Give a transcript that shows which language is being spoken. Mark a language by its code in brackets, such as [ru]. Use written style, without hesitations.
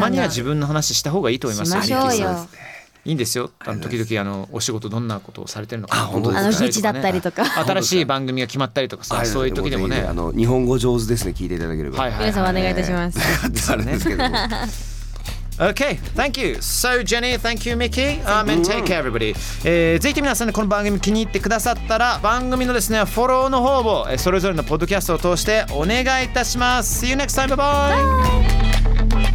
[ja] が、たまには自分の話した方がいいと思いますよ、しましょうよ、いいんですよ。あの時々あのお仕事どんなことをされてるのか、あ、本当ですか、あの日だったりとか新しい番組が決まったりとかさ、そういう時でもね、あの日本語上手ですね、聞いていただければ、はいはいはい、皆様お願いいたしますあれですけど [en] OK, thank you. So, Jenny, thank you, Mickey. And take care, everybody. [ja] ぜひ皆さんね、この番組気に入ってくださったら、番組のですね、フォローの方を、それぞれのポッドキャストを通してお願いいたします。 [en] See you next time. Bye-bye. Bye.